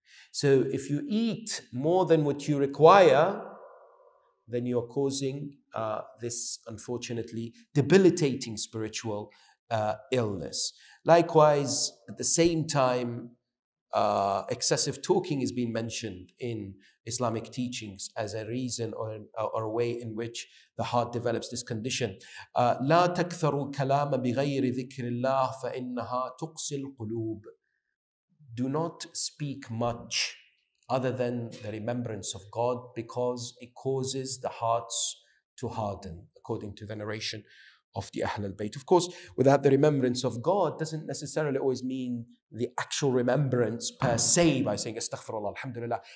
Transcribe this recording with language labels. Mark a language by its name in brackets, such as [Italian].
[English] So if you eat more than what you require, then you're causing this, unfortunately, debilitating spiritual illness. Likewise, at the same time, excessive talking is being mentioned in Islamic teachings as a reason or a way in which the heart develops this condition. [Arabic] لا تكثروا كلاما بغير ذكر الله فإنها تقسى القلوب. [English] Do not speak much other than the remembrance of God, because it causes the hearts to harden, according to the narration of the Ahlul Bayt. Of course, without the remembrance of God doesn't necessarily always mean the actual remembrance per se by saying Astaghfirullah, Alhamdulillah.